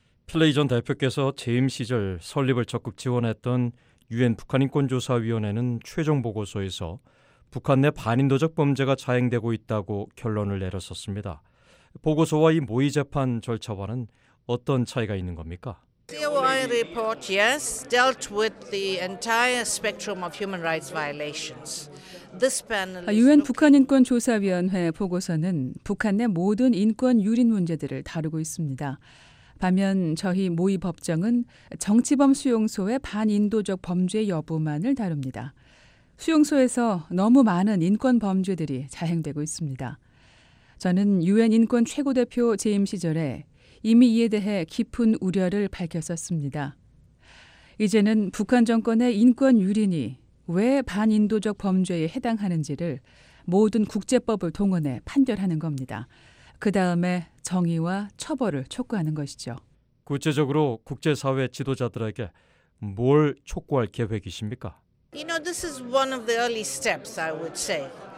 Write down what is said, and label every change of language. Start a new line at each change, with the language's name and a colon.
Korean: 필레이 전 대표께서 재임 시절 설립을 적극 지원했던 유엔 북한인권조사위원회는 최종 보고서에서 북한 내 반인도적 범죄가 자행되고 있다고 결론을 내렸었습니다. 보고서와 이 모의 재판 절차와는 어떤 차이가 있는 겁니까?
English: COI report, yes, dealt with the entire spectrum of human rights violations. This panel.
Korean: 유엔 북한인권조사위원회 보고서는 북한 내 모든 인권 유린 문제들을 다루고 있습니다. 반면 저희 모의 법정은 정치범 수용소의 반인도적 범죄 여부만을 다룹니다. 수용소에서 너무 많은 인권 범죄들이 자행되고 있습니다. 저는 유엔 인권 최고 대표 재임 시절에 이미 이에 대해 깊은 우려를 밝혔었습니다. 이제는 북한 정권의 인권 유린이 왜 반인도적 범죄에 해당하는지를 모든 국제법을 동원해 판결하는 겁니다. 그 다음에 정의와 처벌을 촉구하는 것이죠. 구체적으로 국제사회 지도자들에게 뭘 촉구할 계획이십니까?
English: You know, this is one of the early steps, I would say.